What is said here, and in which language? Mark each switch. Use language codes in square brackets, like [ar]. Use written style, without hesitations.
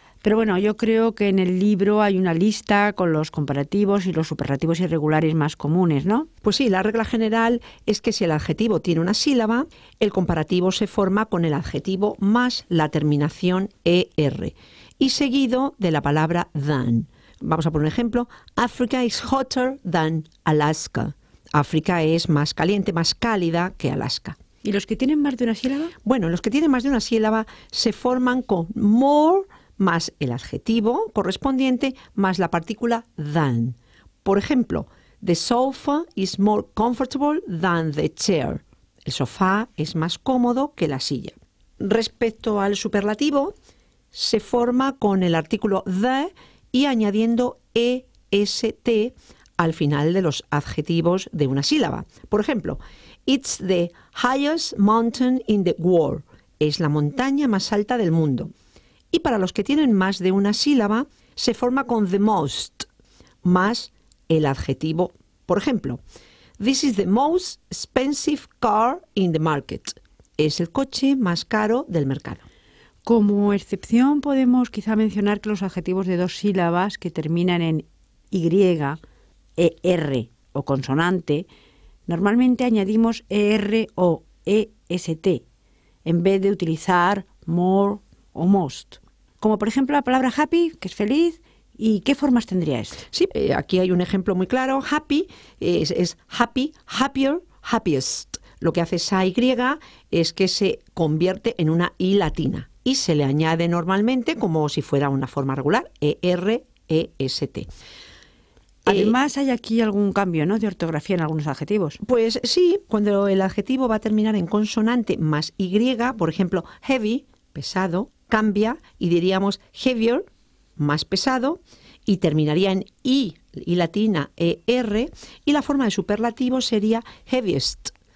[es] Pero bueno, yo creo que en el libro hay una lista con los comparativos y los superlativos irregulares más comunes, ¿no? Pues sí, la regla general es que si el adjetivo tiene una sílaba, el comparativo se forma con el adjetivo más la terminación er y seguido de la palabra than. Vamos a poner un ejemplo. [en] Africa is hotter than Alaska. [es] África es más caliente, más cálida que Alaska. ¿Y los que tienen más de una sílaba? Bueno, los que tienen más de una sílaba se forman con more más el adjetivo correspondiente más la partícula than. Por ejemplo, [en] the sofa is more comfortable than the chair. [es] El sofá es más cómodo que la silla. Respecto al superlativo, se forma con el artículo the y añadiendo est al final de los adjetivos de una sílaba. Por ejemplo, [en] it's the highest mountain in the world. [es] Es la montaña más alta del mundo. Y para los que tienen más de una sílaba, se forma con the most más el adjetivo. Por ejemplo, [en] this is the most expensive car in the market. [es] Es el coche más caro del mercado. Como excepción podemos quizá mencionar que los adjetivos de dos sílabas que terminan en y, er o consonante, normalmente añadimos er o est en vez de utilizar more o most. Como por ejemplo la palabra happy, que es feliz, ¿y qué formas tendría esto? Sí, aquí hay un ejemplo muy claro. Happy es happy, happier, happiest. Lo que hace esa Y es que se convierte en una I latina y se le añade normalmente como si fuera una forma regular, E-R-E-S-T. Además, hay aquí algún cambio, ¿no?, de ortografía en algunos adjetivos. Pues sí, cuando el adjetivo va a terminar en consonante más Y, por ejemplo, heavy, pesado, cambia y diríamos heavier, más pesado, y terminaría en I latina, ER, y la forma de superlativo sería heaviest.